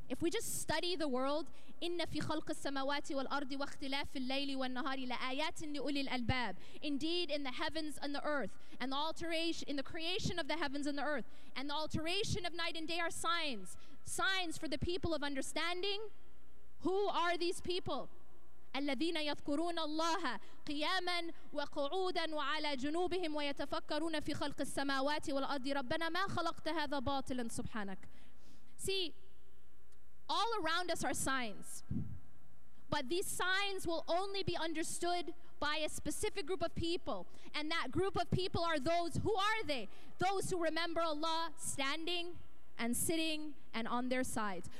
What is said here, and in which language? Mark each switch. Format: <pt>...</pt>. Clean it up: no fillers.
<en>If we just study the world,</en> <ar>إِنَّ فِي خَلْقِ السَّمَاوَاتِ وَالْأَرْضِ وَاخْتِلَافِ اللَّيْلِ وَالنَّهَارِ لَآيَاتٍ لِأُولِي الْأَلْبَابِ.</ar> <en>Indeed, in the heavens and the earth, and the alteration in the creation of the heavens and the earth, and the alteration of night and day are signs for the people of understanding. Who are these people?</en> <ar>الذين يذكرون الله قياما وقعودا وعلى جنوبهم ويتفكرون في خلق السماوات والأرض ربنا ما خلقت هذا باطلا سبحانك.</ar> <en>See, all around us are signs, but these signs will only be understood by a specific group of people, and that group of people are those, who are they? Those who remember Allah standing and sitting and on their sides.</en>